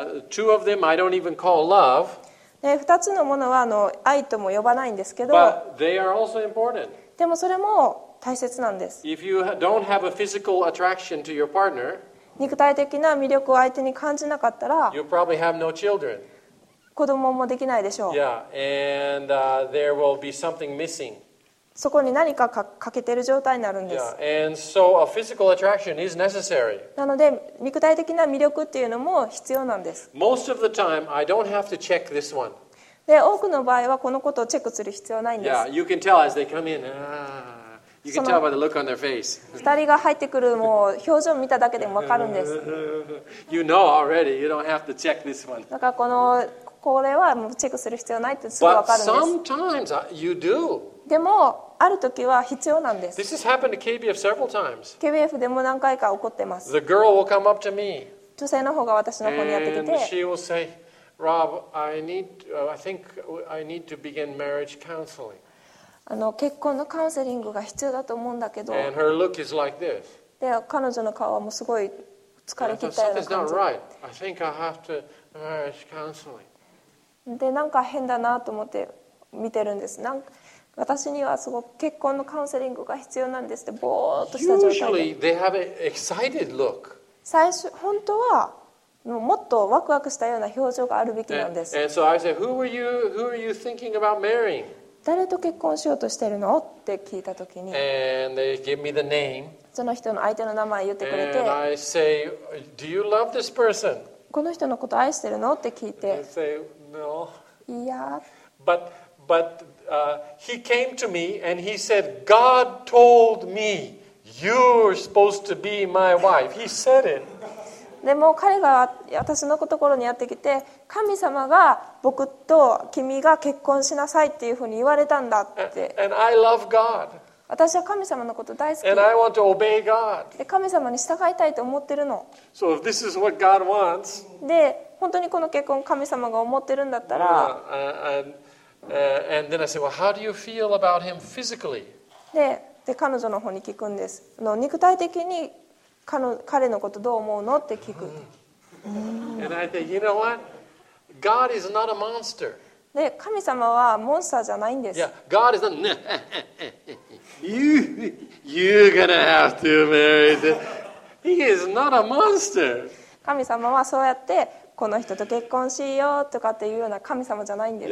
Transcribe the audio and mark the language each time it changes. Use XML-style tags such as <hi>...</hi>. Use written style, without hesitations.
<en>Two of them I don't even call love.</en> <ja>で、2つのものは愛とも呼ばないんですけど。</ja> <en>But they are also important.</en> <ja>でもそれも大切なんです。</ja> <en>If you don't have a physical attraction to your partner,</en> <ja>肉体的な魅力を相手に感じなかったら、</ja> <en>You probably have no children.</en> <ja>子供もできないでしょう。</ja> <en>Yeah, and there will be something missing.</en> <ja>そこに何か欠けてる状態になるんです。</ja> <en>Yeah, and so a physical attraction is necessary.</en> <ja>なので、肉体的な魅力っていうのも必要なんです。</ja> <en>Most of the time, I don't have to check this one.</en> <ja>で、多くの場合はこのことをチェックする必要ないんです。</ja> <en>Yeah, you can tell as they come in. You can tell by the look on their face.</en> <ja>2人が入ってくるもう表情を見ただけでも分かるんです。</ja> <en>You know already. You don't have to check this one.</en> <ja>だからこれはもうチェックする必要ないってすぐ分かるんです。</ja> <en>But sometimes you do.</en> <ja>でもある時は必要なんです。</ja> <en>This has happened to KBF several times.</en> <ja>KBF でも何回か起こってます。</ja> <en>The girl will come up to me.</en> <ja>女性の方が私の方にやってきて。</ja> <en>And she will say, Rob, I think I need to begin marriage counseling.</en> <ja>結婚のカウンセリングが必要だと思うんだけど、</ja> <en>And her look is like this.</en> <ja>で彼女の顔はもうすごい疲疲れ切ったような感じ。</ja> <en>I think I have to urge counseling.</en> <ja>で、なんか変だなと思って見てるんです。なんか私にはすごく結婚のカウンセリングが必要なんですって、ぼーっとした状態で。</ja> <en>Usually they have an excited look.</en> <ja>最初、本当は、もっとワクワクしたような表情があるべきなんです。</ja> <en>And so I said, who are you thinking about marrying?</en> <ja>誰と結婚しようとしてるのって聞いたときに。</ja> <en>And they give me the name.</en> <ja>その人の相手の名前言ってくれて。</ja> <en>And I say, do you love this person?</en> <ja>この人のこと愛してるのって聞いて。</ja> <en>And they say, no.</en> <ja>いや。</ja> <en>But he came to me and he said, God told me you're supposed to be my wife. He said it.</en> <ja>でも彼が私のところにやってきて、神様が僕と君が結婚しなさいっていうふうに言われたんだって。</ja> <en>And I love God.</en> <ja>私は神様のこと大好き。</ja> <en>And I want to obey God.</en> <ja>で神様に従いたいと思ってるの。</ja> <en>So if this is what God wants.</en> <ja>で本当にこの結婚神様が思ってるんだったら。</ja> <en>And then I said, well, how do you feel about him physically?</en> <ja>で彼女の方に聞くんです。肉体的に彼のことどう思うのって聞く。</ja> <en>And I think, you know what? God is not a monster.</en> <ja>で神様はモンスターじゃないんです。</ja> <en>Yeah, God is not. You're gonna have to marry him. He is not a monster.</en> <ja>神様はそうやって。この人と結婚しようとかっていうような神様じゃないんです。</ja>